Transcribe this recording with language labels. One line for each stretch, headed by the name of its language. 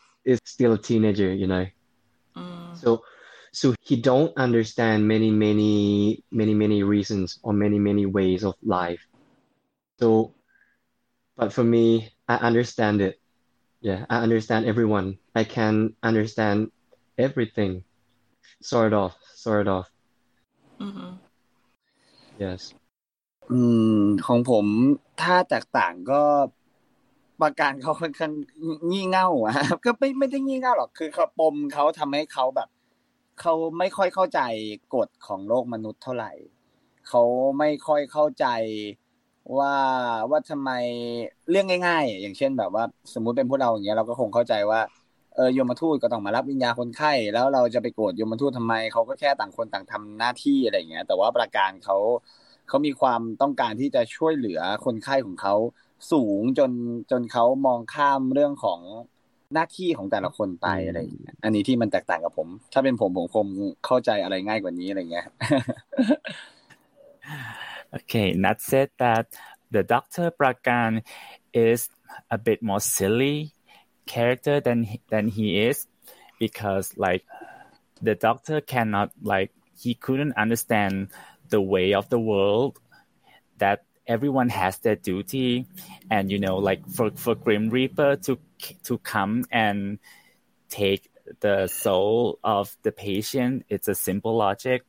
English: Is still a teenager, you know. So he don't understand many reasons or many ways of life. So, but for me, I understand it. Yeah, I understand everyone. I can understand everything, sort of. Mm-hmm. Yes.
Thai: ของผมถ้าแตกต่างก็ประการเขาค่อนข้างงี่เง่าครับก็ไม่ได้งี่เง่าหรอกคือขปมเขาทําให้เขาแบบเขาไม่ค่อยเข้าใจกฎของโลกมนุษย์เท่าไหร่เขาไม่ค่อยเข้าใจ ว่าทําไมเรื่องง่ายๆอย่างเช่นแบบว่าสมมุติเป็นพวกเราอย่างเงี้ยเราก็คงเข้าใจว่าเออยมทูตก็ต้องมารับวิญญาณคนไข้แล้วเราจะไปโกรธยมทูตทําไมเขาก็แค่ต่างคนต่างทําหน้าที่อะไรอย่างเงี้ยแต่ว่าประการเขามีความต้องการที่จะช่วยเหลือคนไข้ของเขาสูงจนเขามองข้ามเรื่องของหน้าที่ของแต่ละคนไปอะไรอย่างเงี้ยอันนี้ที่มันแตกต่างกับผมถ้าเป็นผมคงเข้าใจอะไรง่ายกว่านี้อะไรเงี้ย
English: Okay, Nat said that the Dr. Prakan is a bit more silly character than he is because like the doctor cannot like he couldn't understand the way of the world thatEveryone has their duty, and you know, like for Grim Reaper to come and take the soul of the patient, it's a simple logic.